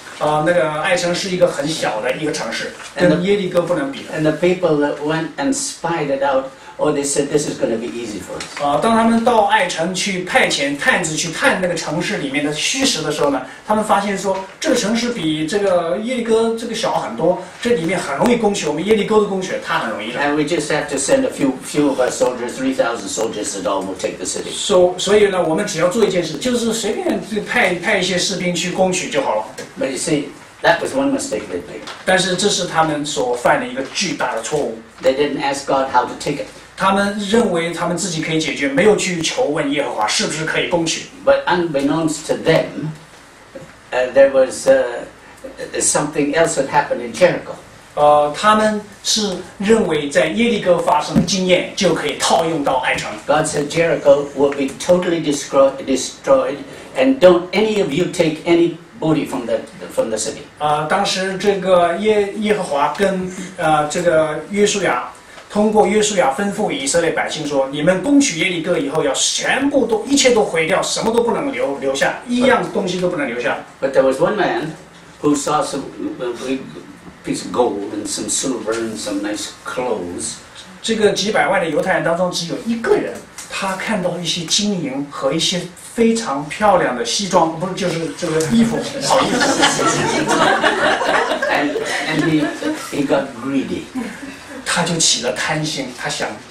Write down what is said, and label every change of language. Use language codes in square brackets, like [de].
[zh] 那个爱城是一个很小的一个城市，跟耶利哥不能比的。 [en] And the people that went and spied it out, oh, they said this is going to be easy for us. [zh] 当他们到爱城去派遣探子去探那个城市里面的虚实的时候呢，他们发现说这个城市比这个耶利哥这个小很多，这里面很容易攻取，我们耶利哥的攻取它很容易的。 [en] And we just have to send a few of our soldiers, 3,000 soldiers, and all will take the city. [zh] So, 所以呢，我们只要做一件事，就是随便派一些士兵去攻取就好了。 [en] But you see, that was one mistake they made. [zh] 但是这是他们所犯的一个巨大的错误。 [en] They didn't ask God how to take it. [zh] 他们认为他们自己可以解决，没有去求问耶和华是不是可以攻取。 [en] But unbeknownst to them, there was something else that happened in Jericho. [zh] 他们是认为在耶利哥发生的经验就可以套用到爱城。 [en] God said Jericho will be totally destroyed, and don't any of you take any booty from the city. [zh] 当时这个耶和华跟这个约书亚。通过约书亚吩咐以色列百姓说：“你们攻取耶利哥以后，要全部都一切都毁掉，什么都不能留下，一样东西都不能留下。” [en] But there was one man who saw some big piece of gold and some silver and some nice clothes. [zh] 这个几百万的犹太人当中，只有一个人，他看到一些金银和一些非常漂亮的西装，不是就是这个衣服，不好意思。 [en] And he got greedy. [zh] 他就起了贪心，他想